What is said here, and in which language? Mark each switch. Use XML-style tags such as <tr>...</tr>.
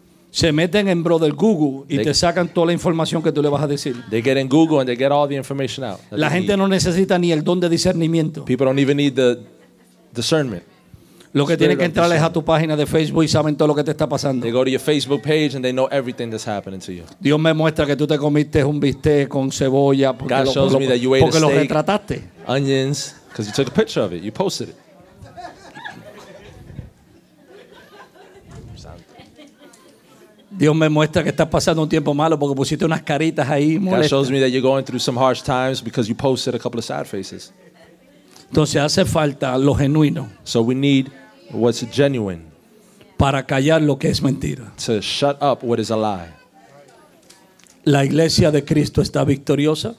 <es>Se meten en brother Google y te sacan toda la información que tú le vas a decir.</es> <en>They get in Google and they get all the information out.</en> <es>La gente no necesita ni el don de discernimiento.</es> <en>People don't even need the discernment.</en> <es>Lo que tienen que entrar es a tu página de Facebook y saben todo lo que te está pasando.</es> <en>They go to your Facebook page and they know everything that's happening to you.</en> <es>Dios me muestra que tú te comiste un bistec con cebolla porque</es> <en>God shows me that you ate</en> <es>porque</es> <en>a steak,</en> <es>lo retrataste.</es> <en>Onions, because you took a picture of it, you posted it.</en> <es>Dios me muestra que estás pasando un tiempo malo porque pusiste unas caritas ahí molestas.</es> <en>God shows me that you're going through some harsh times because you posted a couple of sad faces.</en> <es>Entonces hace falta lo genuino.</es> <en>So we need what's genuine.</en> <es>Para callar lo que es mentira.</es> <en>To shut up what is a lie.</en> <es>La iglesia de Cristo está victoriosa.</es>